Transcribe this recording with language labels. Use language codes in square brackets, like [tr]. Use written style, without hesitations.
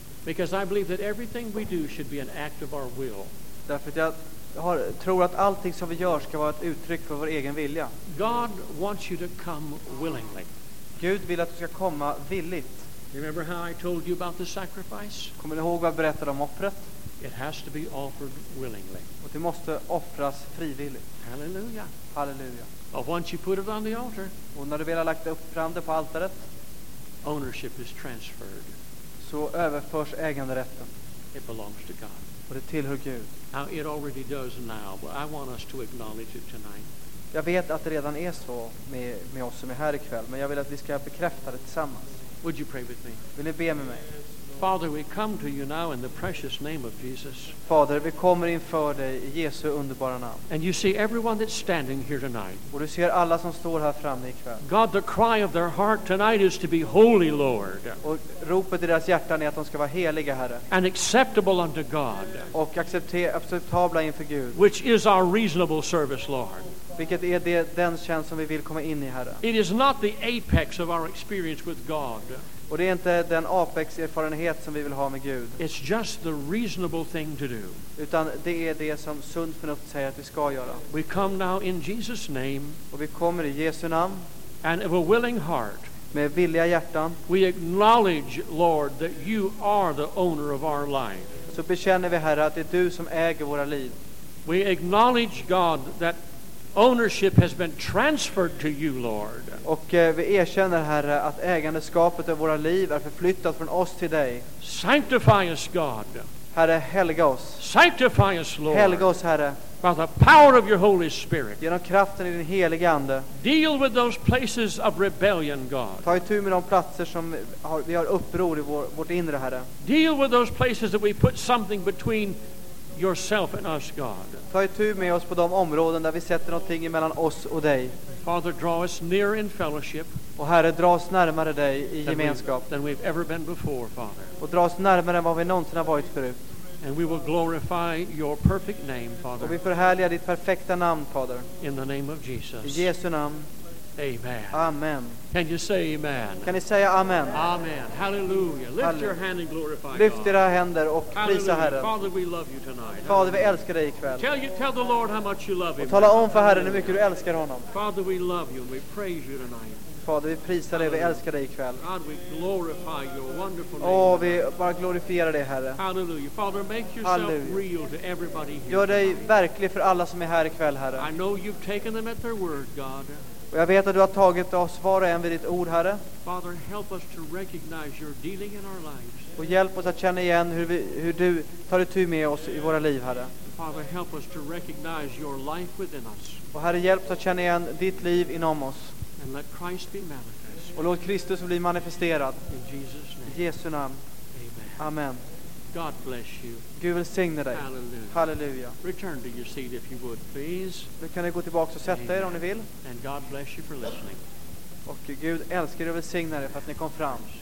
[en] Because I believe that everything we do should be an act of our will. [sv] Därför att jag tror att allting som vi gör ska vara ett uttryck för vår egen vilja. [en] God wants you to come willingly. [sv] Gud vill att du ska komma villigt. [en] Remember how I told you about the sacrifice? [sv] Kommer du ihåg vad jag berättade om offret? [en] It has to be offered willingly. [sv] Och det måste offras frivilligt. [en] Halleluja. [sv] Halleluja. [en] But once you put it on the altar, [sv] och när du väl har lagt upp fram det på altaret, [en] ownership is transferred. [sv] Så överförs äganderätten. [en] It belongs to God. [sv] Och det tillhör Gud. [en] Now it already does now, but I want us to acknowledge it tonight. [sv] Jag vet att det redan är så med oss som är här ikväll, men jag vill att vi ska bekräfta det tillsammans. [en] Would you pray with me? [sv] Vill ni be med mig? [en] Father, we come to you now in the precious name of Jesus. [sv] Fader, vi kommer inför dig i Jesu underbara namn. [en] And you see everyone that's standing here tonight. [sv] Och du ser alla som står här framme ikväll. [en] God, the cry of their heart tonight is to be holy, Lord. [sv] Och ropet i deras hjärtan är att de ska vara heliga, Herre. [en] And acceptable unto God. [sv] Och acceptabla inför Gud. [en] Which is our reasonable service, Lord. [sv] Vilket är det, den tjänst som vi vill komma in i, Herre. [en] It is not the apex of our experience with God. [sv] Och det är inte den apex erfarenhet som vi vill ha med Gud. [en] It's just the reasonable thing to do. [sv] Utan det är det som sunt förnuft säger att vi ska göra. [en] We come now in Jesus name. [sv] Och vi kommer i Jesu namn. [en] And with a willing heart. [sv] Med villiga hjärtan. [en] We acknowledge, Lord, that you are the owner of our life. [sv] Så bekänner vi, Herre, att det är du som äger våra liv. [en] We acknowledge, God, that ownership has been transferred to you, Lord. [sv] Och vi erkänner, Herre, att ägandeskapet av våra liv är förflyttat från oss till dig. [en] Sanctify us, God. [sv] Herre, helga oss. [en] Sanctify us, Lord. [sv] Helga oss, Herre. [en] By the power of your Holy Spirit. [sv] Genom kraften i din heliga ande. [en] Deal with those places of rebellion, God. [sv] Ta itu med de platser som vi har uppror i vårt inre, Herre. [en] Deal with those places that we put something between yourself and us, God. [sv] Ta itu med oss på de områden där vi sätter någonting emellan oss och dig. [en] Father, draw us near in fellowship. [sv] Och Herre, dra oss närmare dig i gemenskap. [en] Than we've ever been before, Father. [sv] Och dra oss närmare än vad vi någonsin har varit förut. [en] And we will glorify your perfect name, Father. [sv] Och vi förhärligar ditt perfekta namn, Fader. [en] In the name of Jesus. [sv] I Jesu namn. [en] Amen. [sv] Amen. [en] Can you say amen? [sv] Kan ni säga amen? [en] Amen. Hallelujah. Lift your hand and glorify God. [sv] Lyft era händer och prisa Herren. [en] Father, we love you tonight. [sv] Fader, vi älskar dig ikväll. [en] Tell the Lord how much you love him. [sv] Och tala om för Herren hur mycket du älskar honom. [en] Father, we love you and we praise you tonight. [sv] Fader, vi prisar dig, vi älskar dig ikväll. [en] God, we glorify your wonderful name. [sv] Åh, vi bara glorifierar dig, Herre. [en] Hallelujah. Father, make yourself real to everybody here. [sv] Gör dig verklig för alla som är här ikväll, Herre. [en] I know you've taken them at their word, God. [sv] Och jag vet att du har tagit oss var och en vid ditt ord, Herre. [en] Father, help us to recognize your dealing in our lives. [sv] Och hjälp oss att känna igen hur du tar itu med oss i våra liv, Herre. [en] Father, help us to recognize your life within us. [sv] Och Herre, hjälp oss att känna igen ditt liv inom oss. [en] And let Christ be manifest. [sv] Och låt Kristus bli manifesterad. [en] In Jesus name. [sv] I Jesu namn. [en] Amen. [sv] Amen. [en] God bless you. [sv] Gud välsigne dig. [en] Hallelujah. [sv] Hallelujah. [en] Return to your seat if you would, please. [sv] Du kan gå tillbaka och sätta er om ni vill. [en] And God bless you for listening. [sv] Och Gud älskar och välsignar er för att ni kom fram.